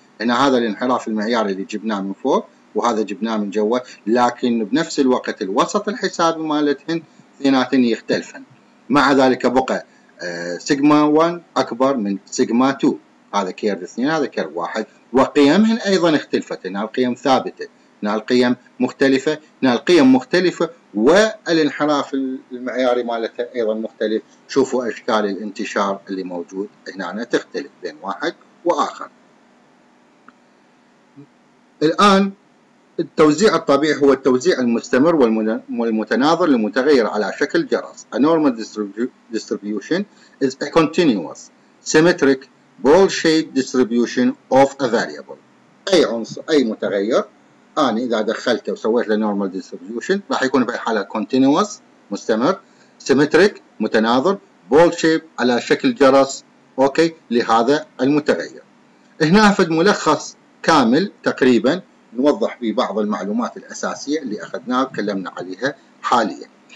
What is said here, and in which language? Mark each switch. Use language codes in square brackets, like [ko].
[ar] إن هذا الانحراف المعياري اللي جبناه من فوق وهذا جبناه من جوا، لكن بنفس الوقت الوسط الحسابي مالتهن اثنيناتهن يختلفن، مع ذلك بقى سيجما 1 أكبر من سيجما 2، هذا كيرف 2 هذا كيرف 1، وقيمهن أيضا اختلفت، هنا القيم ثابتة هنا القيم مختلفة، هنا القيم مختلفة والانحراف المعياري مالتها أيضا مختلف. شوفوا أشكال الانتشار اللي موجود هنا تختلف بين واحد وآخر. الآن التوزيع الطبيعي هو التوزيع المستمر والمتناظر للمتغير على شكل جرس. [en] A normal distribution is a continuous symmetric ball-shaped distribution of a variable. [ar] أي عنصر أي متغير أنا إذا دخلته وسويت له normal distribution راح يكون في حالة continuous مستمر، symmetric متناظر، ball-shaped على شكل جرس، أوكي، لهذا المتغير. هنا فد ملخص كامل تقريبا نوضح ببعض المعلومات الأساسية اللي أخذناها وكلمنا عليها حاليا.